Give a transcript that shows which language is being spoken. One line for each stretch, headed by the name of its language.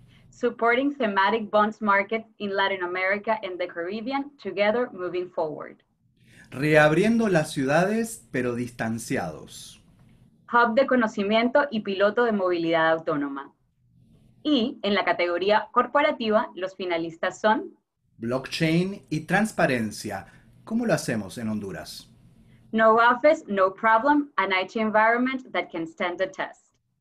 English: Supporting thematic bonds market in Latin America and the Caribbean, together moving forward.
Spanish: Reabriendo las ciudades, pero distanciados. Hub de conocimiento y piloto de movilidad autónoma. Y en la categoría corporativa, los finalistas son... Blockchain y transparencia. ¿Cómo lo hacemos en Honduras?
English: No office, no problem, an IT environment that can stand the test.